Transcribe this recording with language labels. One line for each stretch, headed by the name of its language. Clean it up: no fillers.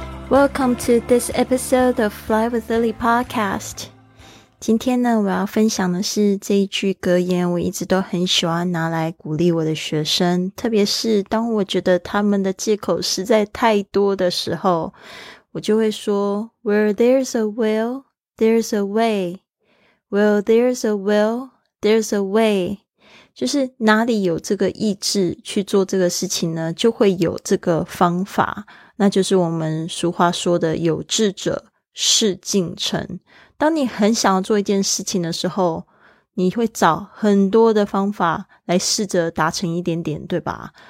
English: Welcome to this episode of Fly with Lily podcast.
Chinese: 今天呢，我要分享的是这一句格言，我一直都很喜欢拿来鼓励我的学生，特别是当我觉得他们的借口实在太多的时候，我就会说
English: Where there's a will, there's a way. Where there's a will, there's a way.
Chinese: 就是哪里有这个意志去做这个事情呢，就会有这个方法。那就是我们俗话说的有志者事竟成。当你很想要做一件事情的时候，你会找很多的方法来试着达成一点点，对吧？